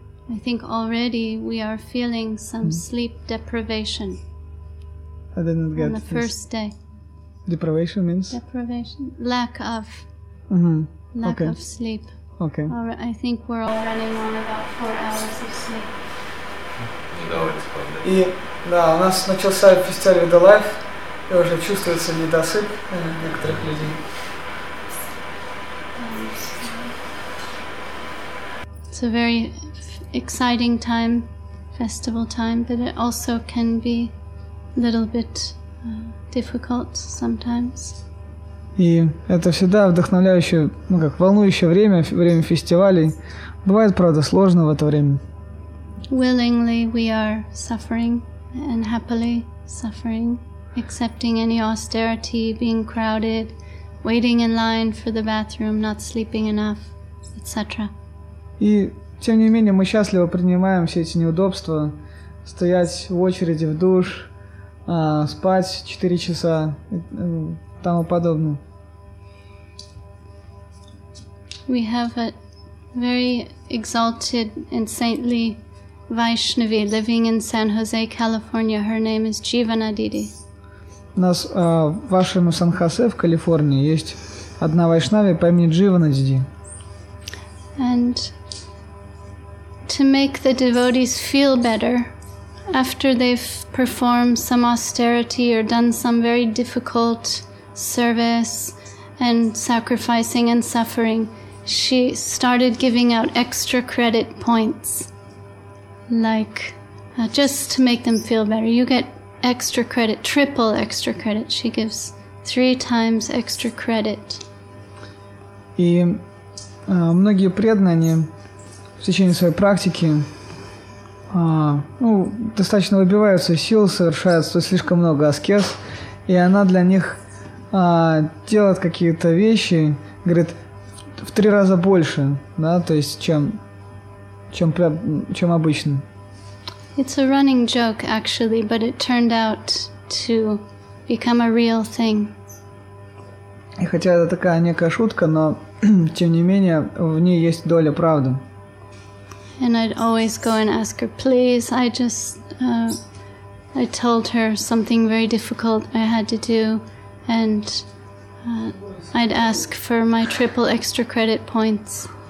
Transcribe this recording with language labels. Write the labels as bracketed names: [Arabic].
[English] I think already we are feeling some sleep deprivation. I didn't get on the first day. Deprivation means? Deprivation. Lack of. Mm-hmm. Lack okay. of sleep. Okay. I think we're all running on about 4 hours of sleep. [Russian] И да, у нас начался фестиваль Vedalife, и уже чувствуется недосып некоторых людей. [English] It's a very exciting time, festival time, but it also can be a little bit difficult sometimes. [Russian] И это всегда вдохновляющее, ну как, волнующее время, время фестивалей. Бывает, правда, сложно в это время. [English] Willingly we are suffering and happily suffering, accepting any austerity, being crowded, waiting in line for the bathroom, not sleeping enough, etc. [Russian] И тем не менее мы счастливо принимаем все эти неудобства, стоять в очереди в душ, спать 4 часа и тому подобное. [English] We have a very exalted and saintly Vaishnavi living in San Jose, California. Her name is Jivana Didi. [Russian] У нас в вашем Сан-Хосе в Калифорнии есть одна вайшнави по имени Дживана Диди. [English] And to make the devotees feel better after they've performed some austerity or done some very difficult service and sacrificing and suffering, she started giving out extra credit points. Like, just to make them feel better, you get extra credit, triple extra credit. She gives 3 times extra credit. [Russian] И многие преданные, они в течение своей практики, ну, достаточно выбиваются сил, совершают слишком много аскез, и она для них делает какие-то вещи, говорит, в 3 раза больше, да, то есть, чем обычно. [English] It's a running joke, actually, but it turned out to become a real thing. [Russian] И хотя это такая некая шутка, но тем не менее в ней есть доля правды. [English] And I'd always go and ask her, please, I told her something very difficult I had to do, and I'd ask for my triple extra credit points.